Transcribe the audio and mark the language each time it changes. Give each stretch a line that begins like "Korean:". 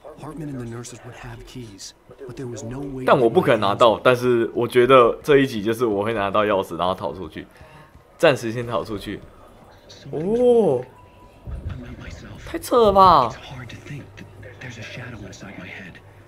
English: Hartman and the nurses would have keys, but there was no way.
Chinese: 但我不可能拿到，但是我觉得这一集就是我会拿到钥匙，然后逃出去，暂时先逃出去。哦，太扯了吧！
English: It's hard to think that there's a shadow inside my head.